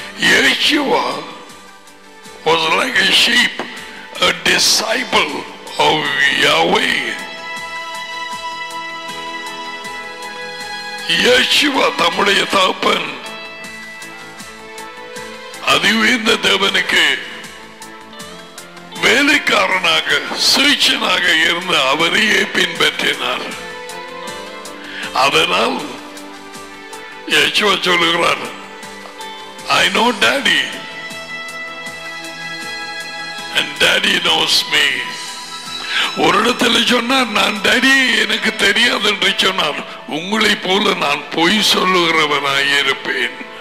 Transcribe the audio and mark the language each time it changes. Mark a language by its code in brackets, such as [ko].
[en] Yeshua was like a sheep, a disciple of Yahweh. [ta] Yeshua தம்முடைய தகப்பன் அதிவீர்ந்த தேவனுக்கு வேலைக்காரனாக சீஷனாக இருந்த அவரையே பின்பற்றினார். அதனால் சொல்லுகிறார், [en] I know daddy and daddy knows me. [ta] ஒரு இடத்துல சொன்னார், நான் டாடி எனக்கு தெரியாது என்று சொன்னார், உங்களை போல நான் பொய் சொல்லுகிறவனாய் இருப்பேன்.